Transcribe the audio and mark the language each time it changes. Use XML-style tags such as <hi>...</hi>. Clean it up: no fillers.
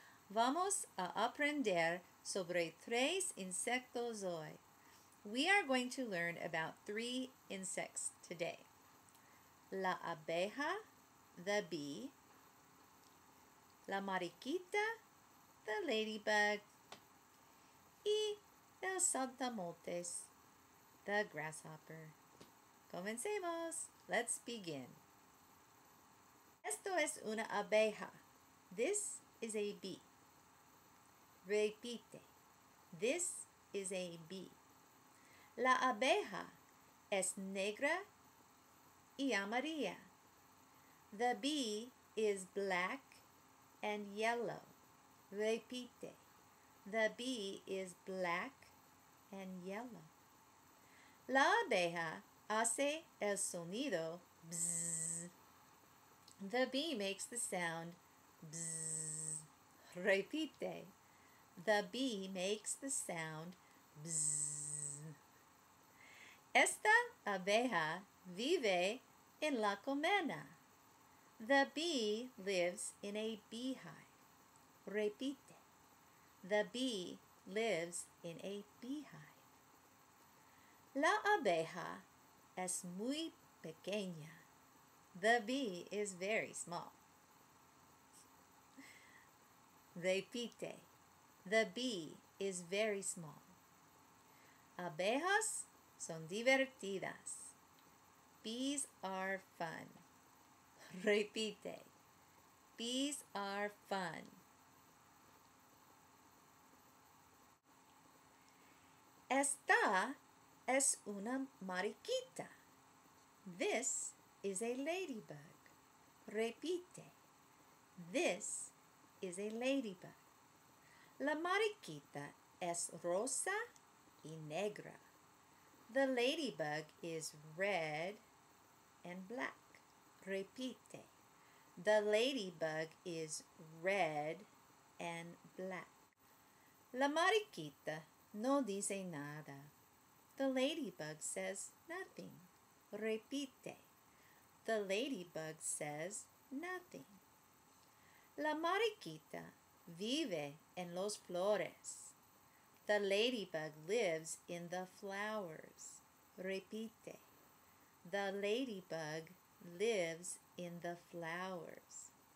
<es>Vamos a aprender sobre tres insectos hoy.</es> <en>We are going to learn about three insects today.</en> <es>La abeja,</es> <en>the bee.</en> <es>La mariquita,</es> <en>the ladybug.</en> <es>Y el saltamontes,</es> <en>the grasshopper.</en> <es>Comencemos.</es> <en>Let's begin.</en> <es>Esto es una abeja.</es> <en>This is a bee.</en> <es>Repite.</es> <en>This is a bee.</en> <es>La abeja es negra y amarilla.</es> <en>The bee is black and yellow.</en> <es>Repite.</es> <en>The bee is black and yellow.</en> <es>La abeja hace el sonido bzzz.</es> <en>The bee makes the sound bzzz.</en> <es>Repite.</es> <en>The bee makes the sound bzzz.</en> <es>Esta abeja vive en la colmena.</es> <en>The bee lives in a beehive.</en> <es>Repite.</es> <en>The bee lives in a beehive.</en> <es>La abeja es muy pequeña.</es> <en>The bee is very small.</en> <es>Repite.</es> <en>The bee is very small.</en> <es>Abejas son divertidas.</es> <en>Bees are fun.</en> <es>Repite.</es> <en>Bees are fun.</en> <es>Esta es una mariquita.</es> <en>This is a ladybug.</en> <es>Repite.</es> <en>This is a ladybug.</en> <es>La mariquita es rosa y negra.</es> <en>The ladybug is red and black.</en> <es>Repite.</es> <en>The ladybug is red and black.</en> <es>La mariquita no dice nada.</es> <en>The ladybug says nothing.</en> <es>Repite.</es> <en>The ladybug says nothing.</en> <es>La mariquita vive en los flores.</es> <en>The ladybug lives in the flowers.</en> <es>Repite.</es> <en>The ladybug lives in the flowers.</en>